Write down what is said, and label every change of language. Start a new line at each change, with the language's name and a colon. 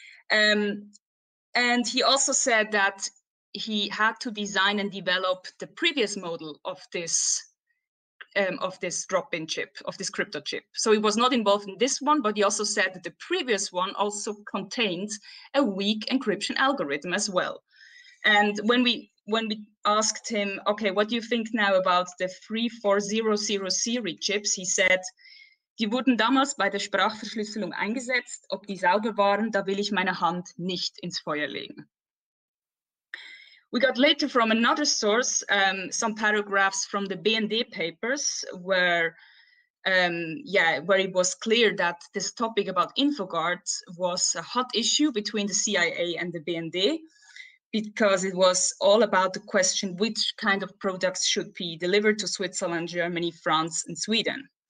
English: And he also said that he had to design and develop the previous model of this drop-in chip, of this crypto chip. So he was not involved in this one, but he also said that the previous one also contained a weak encryption algorithm as well. And when we asked him, okay, what do you think now about the 3400 series chips? He said,
German: die wurden damals bei der Sprachverschlüsselung eingesetzt. Ob die sauber waren, da will ich meine Hand nicht ins Feuer legen.
English: We got later from another source some paragraphs from the BND papers where it was clear that this topic about Infoguard was a hot issue between the CIA and the BND. Because it was all about the question which kind of products should be delivered to Switzerland, Germany, France, and Sweden.